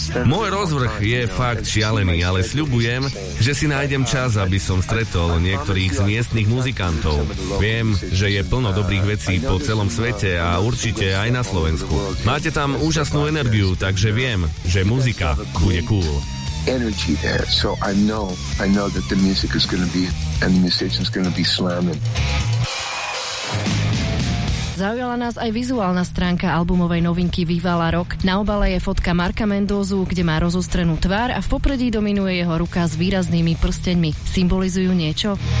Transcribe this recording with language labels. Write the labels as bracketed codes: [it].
[sk] Môj rozvrh je fakt šialený, ale sľubujem, že si nájdem čas, aby som stretol niektorých z miestnych muzikantov. Viem, že je plno dobrých vecí po celom svete a určite aj na Slovensku. Máte tam úžasnú energiu, takže viem, že muzika bude cool. [en] Energy there, so I know that the music is going to be and the musician is going to be slamming. [sk] Zaujala nás aj vizuálna stránka albumovej novinky Vivala rok. Na obale je fotka Marka Mendozu, kde má rozostrenú tvár a v popredí dominuje jeho ruka s výraznými prsteňmi. Symbolizujú niečo?